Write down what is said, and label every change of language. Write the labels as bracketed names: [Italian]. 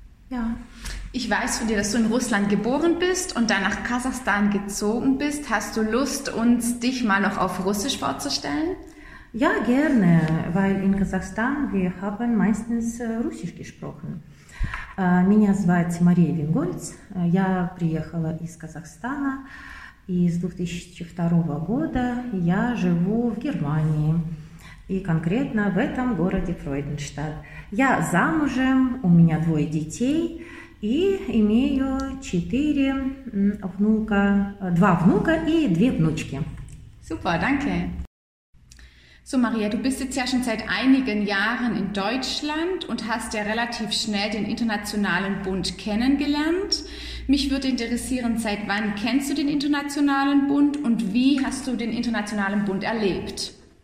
[German] Ja. Ich weiß von dir, dass du in Russland geboren bist und dann nach Kasachstan gezogen bist. Hast du Lust, uns dich mal noch auf Russisch vorzustellen? Ja, gerne, weil in Kasachstan wir haben meistens Russisch gesprochen. [Russian] Меня зовут Мария Вингольц. Я приехала из Казахстана. Из 2002 года я живу в Германии, и конкретно в этом городе Фрейдштадт. Я замужем, у меня двое детей, и имею четыре внука, два внука и две внучки. [German] Super, danke. So Maria, du bist jetzt ja schon seit einigen Jahren in Deutschland und hast ja relativ schnell den Internationalen Bund kennengelernt. Mich würde interessieren, seit wann kennst du den Internationalen Bund und wie hast du den Internationalen Bund erlebt?